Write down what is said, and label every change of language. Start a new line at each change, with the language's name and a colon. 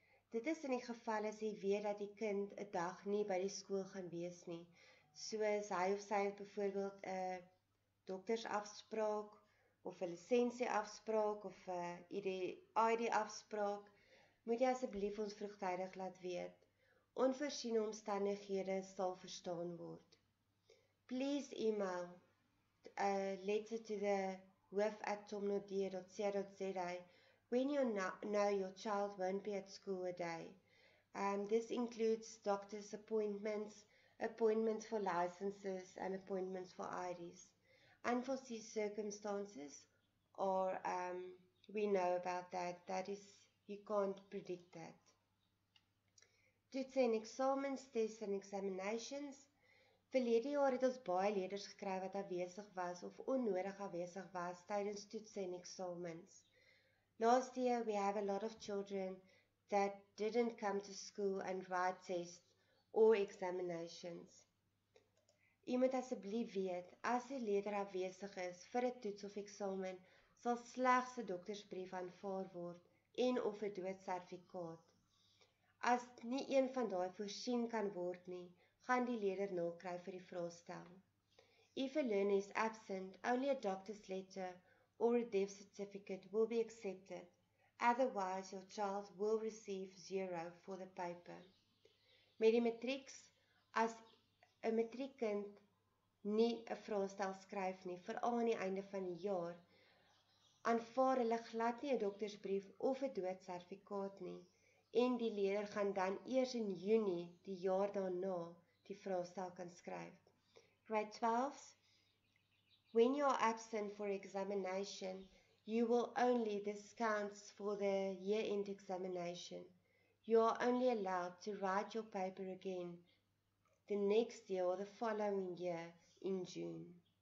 Afrikaans: Dit is in die geval as jy weet dat die kind 'n dag nie by die skool gaan wees nie, soos hy of sy byvoorbeeld 'n doktersafspraak of 'n lisensieafspraak of 'n ID afspraak, moet jy asseblief ons vroegtydig laat weet. Onvoorsiene omstandighede sal verstaan word.
English: Please email a letter to the hoof@tomnaudé.co.za when you know your child won't be at school a day. This includes doctor's appointments, appointments for licenses and appointments for IDs. Unforeseen circumstances or we know about that, that is, you can't predict that.
Afrikaans: Toetse en examens,
English: tests en examinations.
Afrikaans: Verlede jaar het ons baie leerders gekry wat afwesig was of onnodig afwesig was tydens toetse en examens.
English: Last year we have a lot of children that didn't come to school and write tests or examinations.
Afrikaans: Jy moet asseblief weet, as 'n leerder afwesig is vir 'n toets of eksamen, sal slegs 'n doktersbrief aanvaar word en of 'n doodsertifikaat. As nie een van daai voorsien kan word nie, gaan die leerder nul kry vir die vraestel.
English: If a learner is absent, only a doctor's letter or a death certificate will be accepted. Otherwise, your child will receive 0 for the paper.
Afrikaans: Met die matrieks, as 'n matriekkind nie 'n vraestel skryf nie, veral aan die einde van die jaar, aanvaar hulle glad nie 'n doktersbrief of 'n doodsertifikaat nie. En die leerder gaan dan eers in Junie die jaar daarna die vraestel kan skryf.
English: Grade 12s, when you are absent for examination, you will only, this counts for the year-end examination, you are only allowed to write your paper again the next year or the following year in June.